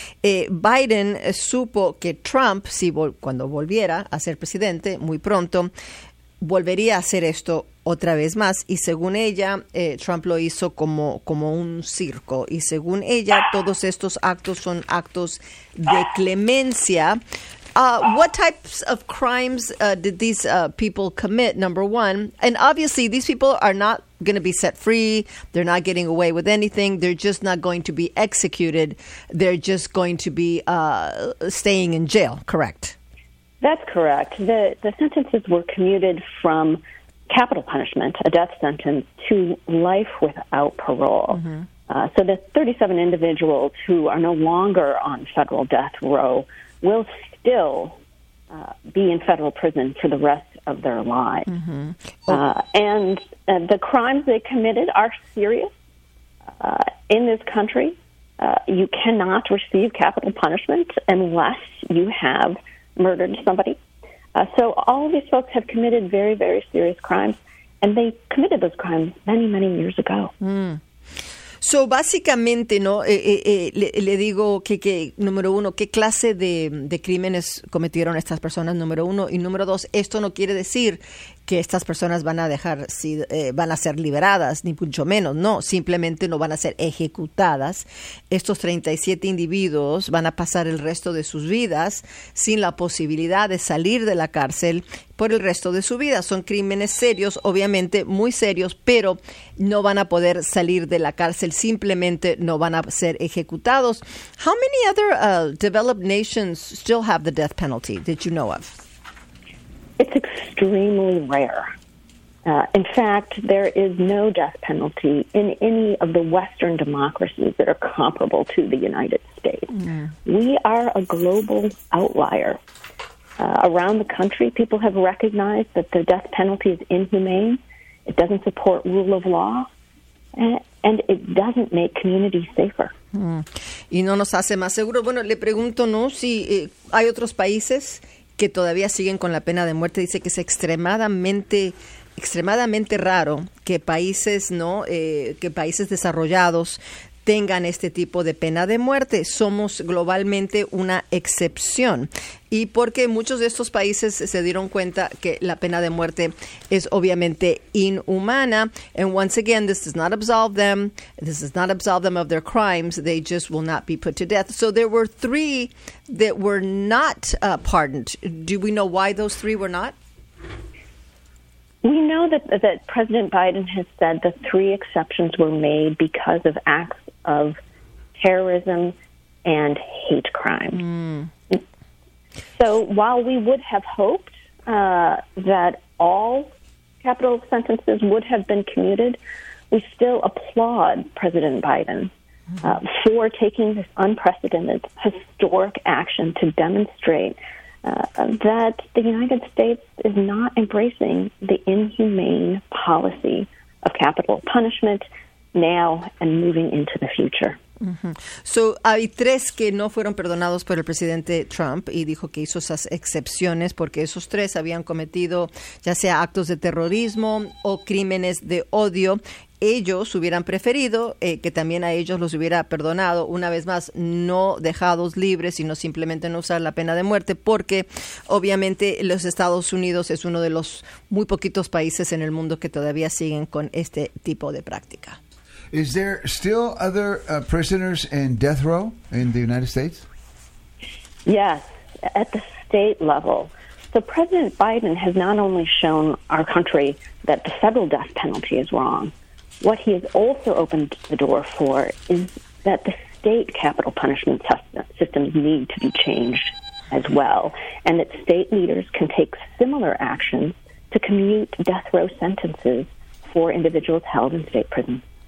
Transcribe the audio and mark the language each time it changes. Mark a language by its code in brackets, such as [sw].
[es] Biden supo que Trump, cuando volviera a ser presidente muy pronto, volvería a hacer esto otra vez más, y según ella, Trump lo hizo como un circo, y según ella, todos estos actos son actos de clemencia. [en] What types of crimes did these people commit, number one? And obviously, these people are not going to be set free. They're not getting away with anything. They're just not going to be executed. They're just going to be staying in jail, correct? That's correct. The sentences were commuted from capital punishment, a death sentence, to life without parole. Mm-hmm. So the 37 individuals who are no longer on federal death row will still be in federal prison for the rest of their lives. Mm-hmm. And the crimes they committed are serious. In this country, you cannot receive capital punishment unless you have murdered somebody. So all of these folks have committed very, very serious crimes, and they committed those crimes many, many years ago. [es] Mm. So básicamente, ¿no? Le digo que número uno, ¿qué clase de crímenes cometieron estas personas? Número uno. Y número dos, esto no quiere decir que estas personas van a ser liberadas, ni mucho menos. No, simplemente no van a ser ejecutadas. Estos 37 individuos van a pasar el resto de sus vidas sin la posibilidad de salir de la cárcel por el resto de su vida. Son crímenes serios, obviamente, muy serios, pero no van a poder salir de la cárcel, simplemente no van a ser ejecutados. [en] How many other developed nations still have the death penalty that you know of? It's extremely rare. In fact, there is no death penalty in any of the Western democracies that are comparable to the United States. Yeah. We are a global outlier. Around the country, people have recognized that the death penalty is inhumane, it doesn't support rule of law, and it doesn't make communities safer. [es] Mm. Y no nos hace más seguros. Bueno, le pregunto, ¿no?, si hay otros países que todavía siguen con la pena de muerte. Dice que es extremadamente raro que países, ¿no?, que países desarrollados tengan este tipo de pena de muerte. Somos globalmente una excepción. Y porque muchos de estos países se dieron cuenta que la pena de muerte es obviamente inhumana. [en] And once again, this does not absolve them. This does not absolve them of their crimes. They just will not be put to death. So there were three that were not pardoned. Do we know why those three were not? We know that President Biden has said the three exceptions were made because of acts of terrorism and hate crime. Mm. So while we would have hoped that all capital sentences would have been commuted, we still applaud President Biden for taking this unprecedented, historic action to demonstrate that the United States is not embracing the inhumane policy of capital punishment now and moving into the future. Mm-hmm. [es] So, hay tres que no fueron perdonados por el presidente Trump y dijo que hizo esas excepciones porque esos tres habían cometido ya sea actos de terrorismo o crímenes de odio. Ellos hubieran preferido que también a ellos los hubiera perdonado, una vez más, no dejados libres, sino simplemente no usar la pena de muerte, porque obviamente los Estados Unidos es uno de los muy poquitos países en el mundo que todavía siguen con este tipo de práctica. [en] Is there still other prisoners in death row in the United States? Yes, at the state level. So President Biden has not only shown our country that the federal death penalty is wrong, what he has also opened the door for is that the state capital punishment systems need to be changed as well, and that state leaders can take similar actions to commute death row sentences for individuals held in state prisons.